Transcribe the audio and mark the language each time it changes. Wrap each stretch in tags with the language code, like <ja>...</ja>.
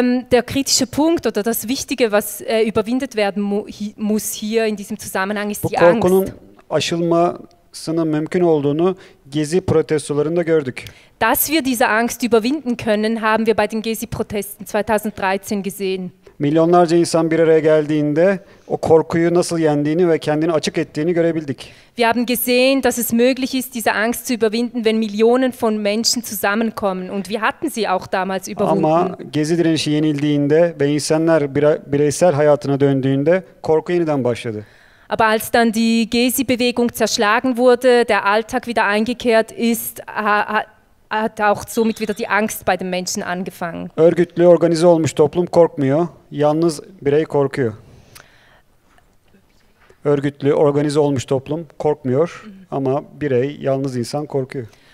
<de>Der kritische Punkt oder das Wichtige, was überwindet werden muss hier in diesem Zusammenhang, ist</de> <tr>bu</tr> <de>die Angst.</de> <tr>Bu korkunun aşılmasının mümkün olduğunu Gezi protestolarında gördük.</tr> <de>Dass wir diese Angst überwinden können, haben wir bei den Gezi-Protesten 2013 gesehen.</de> <tr>Milyonlarca insan bir araya geldiğinde o korkuyu nasıl yendiğini ve kendini açık ettiğini görebildik.</tr> <de>Wir haben gesehen, dass es möglich ist, diese Angst zu überwinden, wenn Millionen von Menschen zusammenkommen. Und wir hatten sie auch damals überwunden.</de> <tr>Ama Gezi direnişi yenildiğinde ve insanlar bireysel hayatına döndüğünde korku yeniden başladı.</tr> <de>Aber als dann die Gezi-Bewegung zerschlagen wurde, der Alltag wieder eingekehrt ist, hat auch somit wieder die Angst bei den Menschen angefangen.</de> <tr>Örgütlü, organize olmuş toplum korkmuyor. Yalnız birey korkuyor. Örgütlü, organize olmuş toplum korkmuyor. Ama birey, yalnız insan korkuyor.</tr>